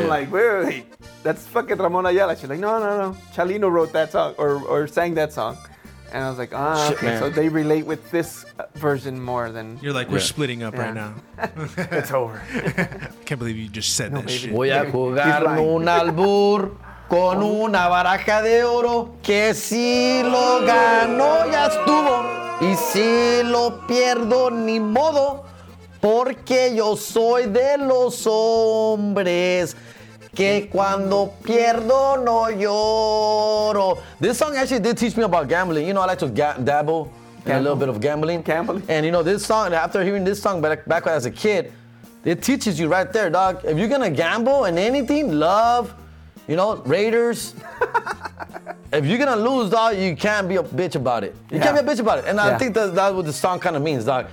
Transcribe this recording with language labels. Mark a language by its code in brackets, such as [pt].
[en] Wait, that's fucking Ramon Ayala. She's like, no. Chalino wrote that song or sang that song. And I was like, ah, okay. So they relate with this version more than... You're like, we're splitting up right now. It's over. I can't believe you just said [es] Voy a jugar un albur. con una baraja de oro que si lo gano ya estuvo y si lo pierdo ni modo porque yo soy de los hombres que cuando pierdo no lloro. [en] This song actually did teach me about gambling. You know, I like to dabble in a little bit of gambling. Gambling. And you know, this song, after hearing this song back when I was a kid, it teaches you right there, dog. If you're gonna gamble in anything, love, you know, Raiders. If you're gonna lose, dog, you can't be a bitch about it. You can't be a bitch about it. And I think that's what the song kind of means, dog.